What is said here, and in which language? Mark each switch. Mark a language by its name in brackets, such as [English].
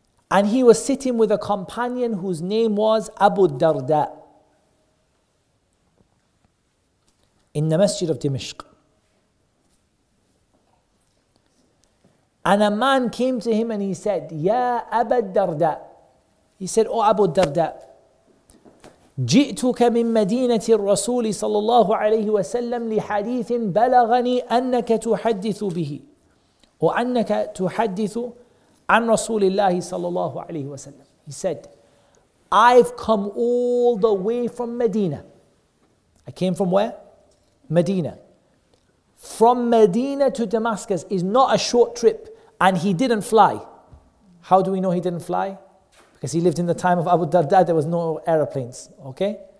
[English] And he was sitting with a companion whose name was Abu Darda in the Masjid of Dimashq. And a man came to him and he said, Ya Abu Darda. He said, Oh Abu Darda, [Arabic] جئتك من مدينة الرسول صلى الله عليه وسلم لحديث بلغني أنك تحدث به وأنك تحدث عن رسول الله صلى الله عليه وسلم. [English] He said, I've come all the way from Medina. I came from where? Medina. From Medina to Damascus is not a short trip, and he didn't fly. How do we know he didn't fly? Because he lived in the time of Abu Darda, there was no aeroplanes, okay?